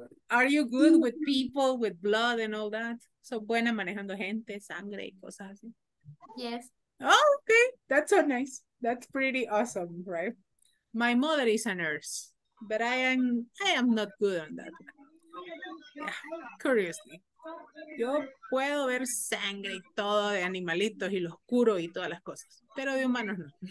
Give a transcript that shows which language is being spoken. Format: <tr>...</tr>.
<en>Are you good with people, with blood and all that?</en> <es>So buena manejando gente, sangre y cosas así.</es> <en>Yes. Oh, okay. That's so nice. That's pretty awesome, right? My mother is a nurse, but I am not good on that. Yeah, curiously.</en> <es>Yo puedo ver sangre y todo de animalitos y los curo y todas las cosas, pero de humanos no.</es>